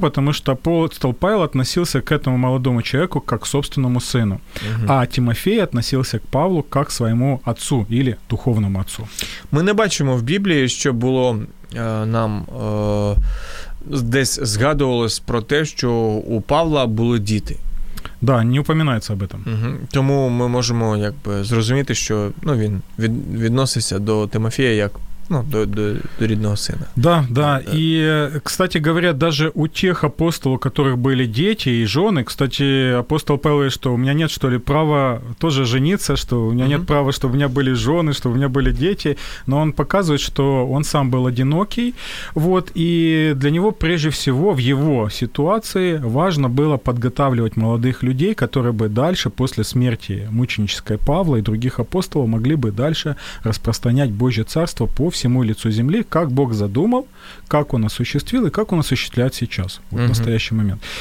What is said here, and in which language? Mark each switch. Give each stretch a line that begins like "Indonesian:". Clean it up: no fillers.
Russian: Потому что апостол Павел относился к этому молодому человеку как к собственному сыну, а Тимофей относился к Павлу как к своему отцу или духовному отцу. Мы не
Ukrainian: бачимо
Russian: в Библии, что было нам...
Ukrainian: десь згадувалось про те, що у Павла були діти.
Russian: Да, не упоминається об этом.
Ukrainian: Тому ми можемо якби зрозуміти, що, ну, він відносився до Тимофія як, ну, до рідного сина.
Russian: Да, да. І, кстати говоря, даже у тех апостолов, у которых были дети и жены, кстати, апостол Павел говорит, что у меня нет, что ли, права тоже жениться, что у меня нет права, чтобы у меня были жены, чтобы у меня были дети, но он показывает, что он сам был одинокий, вот, и для него, прежде всего, в его ситуации важно было подготавливать молодых людей, которые бы дальше, после смерти мученической Павла и других апостолов, могли бы дальше распространять Божье Царство по всему лицу земли, как Бог задумал, как Он осуществил и как Он осуществляет сейчас, вот, в настоящий момент.